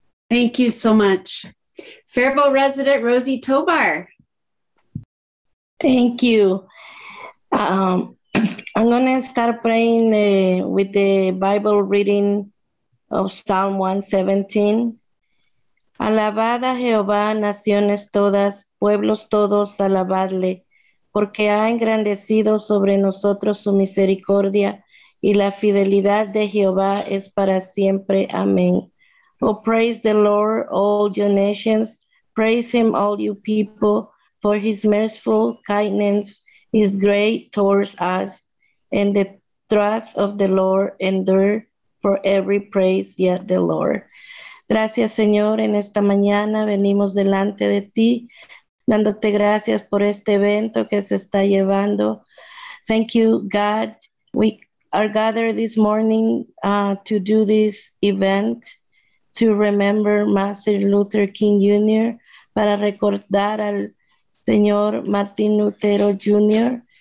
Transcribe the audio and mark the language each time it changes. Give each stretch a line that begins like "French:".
English: Thank you so much. Faribault resident Rosie Tobar. Thank you. I'm going to start praying with the Bible reading of Psalm 117.
Spanish: Alabad a Jehová, naciones todas, pueblos todos, alabadle, porque ha engrandecido sobre nosotros su misericordia, y la fidelidad de Jehová es para siempre.
English: Amén. Oh, praise the Lord, all your nations. Praise him, all you people, for his merciful kindness is great towards us, and the trust of the Lord endure for every praise, yet the Lord.
Spanish: Gracias, Señor, en esta mañana venimos delante de ti, dándote gracias por este evento que se está llevando.
English: Thank you, God. We are gathered this morning to do this event, to remember Martin Luther King Jr.,
Spanish: para recordar al Señor Martin Luther Jr.